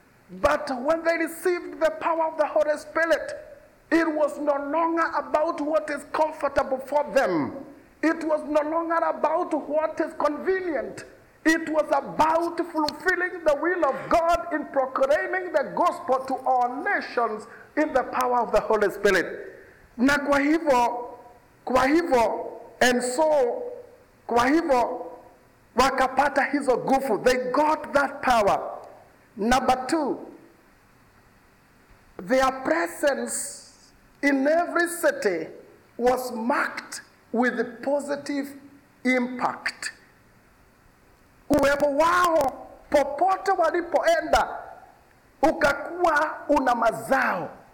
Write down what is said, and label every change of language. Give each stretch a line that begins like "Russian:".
English: But when they received the power of the Holy Spirit, it was no longer about what is comfortable for them. It was no longer about what is convenient. It was about fulfilling the will of God in proclaiming the gospel to all nations in the power of the Holy Spirit.
Swahili: Na kwa hivyo, wakapata hizo gufu.
English: They got that power. Number two, their presence in every city was marked with a positive impact.
Swahili: Uwepo wao popote walipoenda ukakuwa una mazao.